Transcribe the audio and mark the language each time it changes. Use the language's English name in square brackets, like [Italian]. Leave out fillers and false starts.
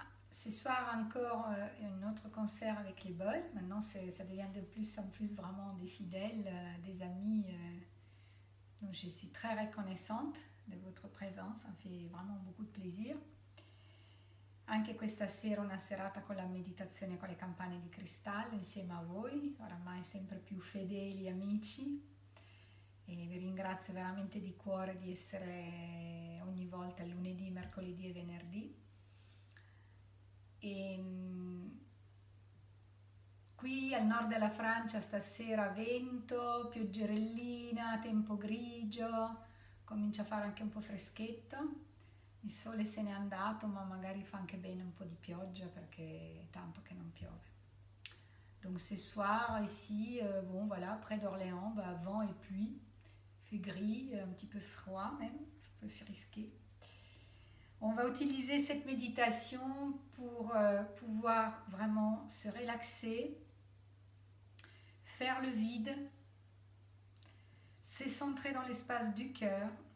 [French] Ce soir encore un autre concert avec les bols, maintenant ça devient de plus en plus vraiment des fidèles, des amis. Donc je suis très reconnaissante de votre présence, ça me fait vraiment beaucoup de plaisir. [Italian] Anche questa sera una serata con la meditazione con le campane di cristallo insieme a voi, oramai sempre più fedeli amici, e vi ringrazio veramente di cuore di essere ogni volta lunedì, mercoledì e venerdì. E qui al nord della Francia stasera vento, pioggerellina, tempo grigio, comincia a fare anche un po' freschetto. Il sole se n'è andato, ma magari fa anche bene un po' di pioggia perché è tanto che non piove. [French] Donc ce soir ici, bon voilà, près d'Orléans, bah vent et pluie, fait gris, un petit peu froid même, un peu frisqué. On va utiliser cette méditation pour pouvoir vraiment se relaxer, faire le vide, se centrer dans l'espace du cœur.